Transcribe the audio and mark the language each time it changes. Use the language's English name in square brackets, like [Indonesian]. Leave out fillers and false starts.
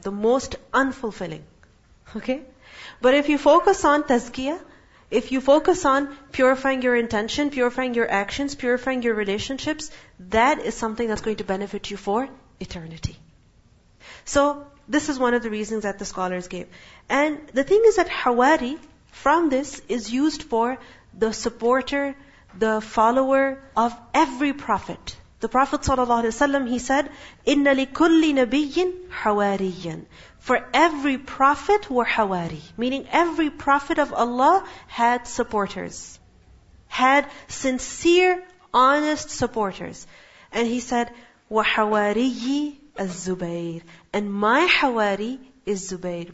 [English] The most unfulfilling. Okay? But if you focus on tazkiyah, if you focus on purifying your intention, purifying your actions, purifying your relationships, that is something that's going to benefit you for eternity. So, this is one of the reasons that the scholars gave. And the thing is that Hawari, from this, is used for the supporter, the follower of every prophet. The Prophet ﷺ, he said, [Arabic] إِنَّ لِكُلِّ نَبِيٍّ حَوَارِيًّا. [English] For every prophet were hawari. Meaning every prophet of Allah had supporters. Had sincere, honest supporters. And he said, [Arabic] وَحَوَارِيِّ الزُّبَيْرِ. [English] And my hawari is Zubayr.